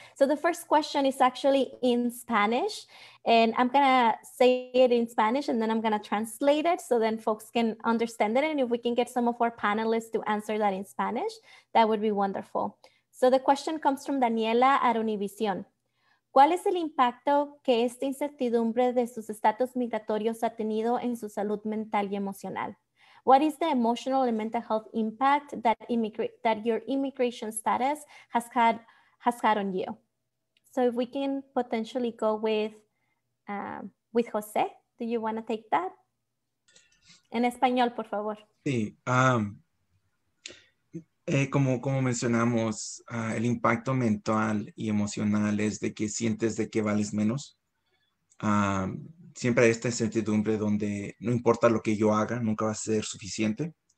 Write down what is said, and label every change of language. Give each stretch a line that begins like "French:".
English: So the first question is actually in Spanish and I'm gonna say it in Spanish and then I'm gonna translate it so then folks can understand it. And if we can get some of our panelists to answer that in Spanish, that would be wonderful. So the question comes from Daniela at Univision.
Spanish: ¿Cuál es el impacto que esta incertidumbre de sus estatus migratorios ha tenido en su salud mental y emocional?
English: What is the emotional and mental health impact that your immigration status has had on you? So if we can potentially go with Jose, do you want to take that?
Spanish: En español, por favor. Sí. Como mencionamos, el impacto mental y emocional es de que sientes de que vales menos. Siempre hay esta incertidumbre donde no importa lo que yo haga, nunca va a ser suficiente.